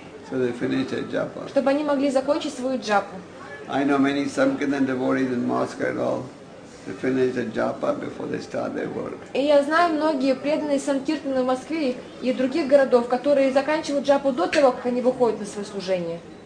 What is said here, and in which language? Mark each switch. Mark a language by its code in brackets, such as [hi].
[en] So they finish their japa. [ru] Чтобы они могли закончить свою джапу. [en] I know many sankirtan devotees in Moscow and all. They finish their japa before they start their work. [ru] И я знаю многие преданные санкиртаны в Москве и других городов, которые заканчивают джапу до того, как они выходят на свое служение.